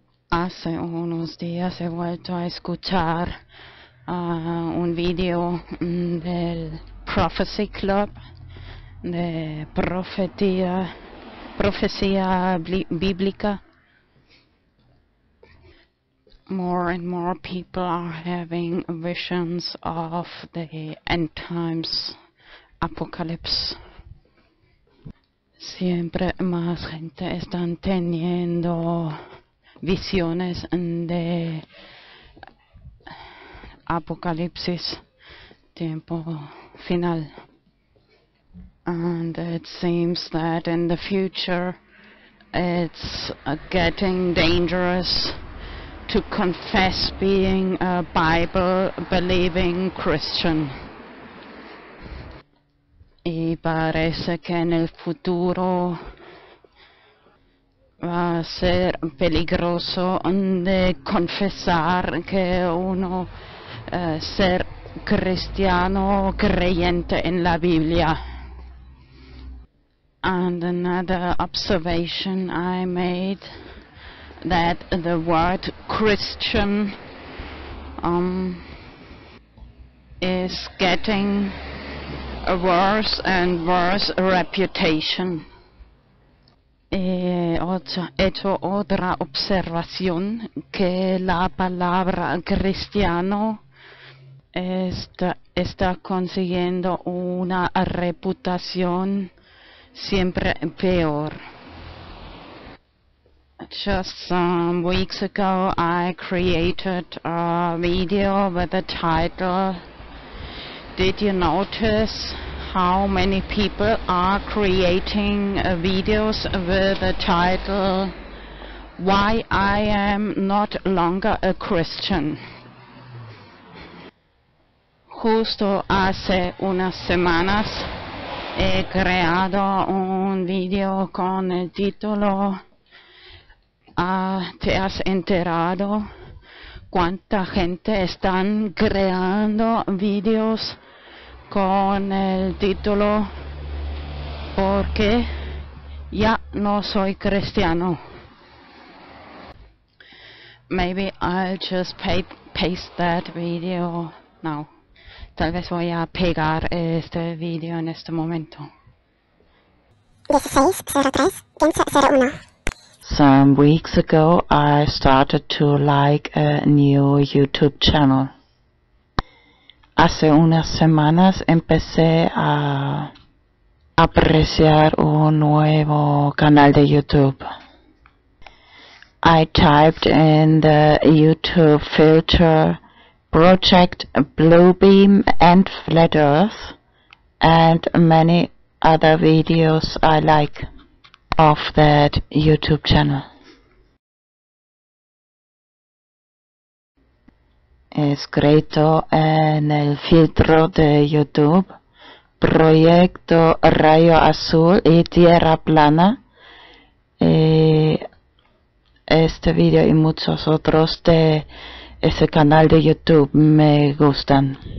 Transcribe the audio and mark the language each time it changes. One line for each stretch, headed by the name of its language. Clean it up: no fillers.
Spanish: Hace unos días he vuelto a escuchar un video del Prophecy Club, de profecía bíblica.
English: More and more people are having visions of the end times apocalypse.
Spanish: Siempre más gente están teniendo visiones de apocalipsis, tiempo final.
English: And it seems that in the future it's getting dangerous to confess being a Bible-believing Christian.
Spanish: Y parece que en el futuro va a ser peligroso de confesar que uno ser cristiano creyente en la Biblia.
English: And another observation I made, that the word Christian is getting a worse and worse reputation.
Spanish: He hecho otra observación, que la palabra cristiano está consiguiendo una reputación siempre peor.
English: Just some weeks ago, I created a video with the title, "Did you notice how many people are creating videos with the title, 'Why I am not longer a Christian?'"
Spanish: Justo hace unas semanas he creado un video con el título, ¿te has enterado cuánta gente están creando videos con el título, porque ya no soy cristiano?
English: Maybe I'll just paste that video now.
Spanish: Tal vez voy a pegar este video en este momento. 16:03:01.
English: Some weeks ago, I started to like a new YouTube channel.
Spanish: Hace unas semanas empecé a apreciar un nuevo canal de YouTube.
English: I typed in the YouTube filter Project Bluebeam and Flat Earth and many other videos I like of that YouTube channel.
Spanish: escrito en el filtro de YouTube, proyecto Rayo Azul y Tierra Plana, este video y muchos otros de ese canal de YouTube me gustan.